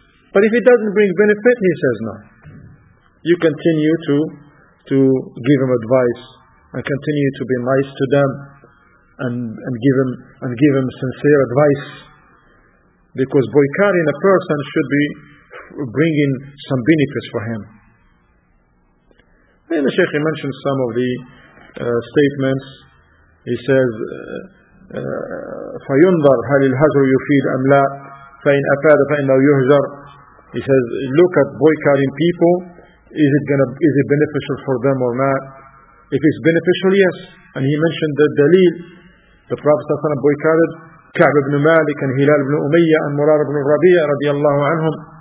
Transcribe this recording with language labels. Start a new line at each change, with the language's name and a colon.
English: But if it doesn't bring benefit, he says no. You continue to give him advice and continue to be nice to them and give him sincere advice, because boycotting a person should be bringing some benefits for him. Then the Shaykh mentioned some of the statements. He says,
Arabic: فَيُنْظَرْ هَلِ الْهَجْرُ يُفِيدْ أَمْ لَا فَإِنْ أَفَادَ فَإِنَّهُ يُهْجَرْ.
English: He says, look at boycotting people. Is it beneficial for them or not? If it's beneficial, yes. And he mentioned the Dalil. The Prophet ﷺ boycotted Ka'b ibn Malik and Hilal ibn Umayyah and Murar ibn Rabi'ah radiallahu anhum.